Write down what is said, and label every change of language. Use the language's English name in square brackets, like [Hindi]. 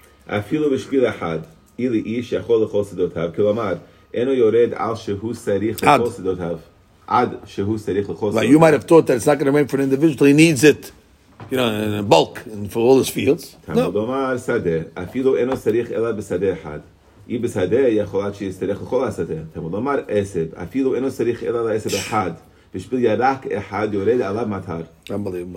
[Hebrew] אפילו בשביל אחד, אילי איש יכול לכל סדותיו, כלומר, אינו יורד על שהוא צריך לכל סדותיו. עד שהוא צריך לכל סדותיו. [English] You might have thought that it's not going to rain for an individual, he needs it, in bulk, and for all his fields. [Hebrew] תמוד אומר שדה, אפילו אינו צריך אלא בשדה אחד. אי בשדה יכול עד שיצטרך לכל השדה. תמוד אומר עשב, אפילו אינו צריך אלא לעשב אחד. בשביל ירק אחד יורד עליו מטר.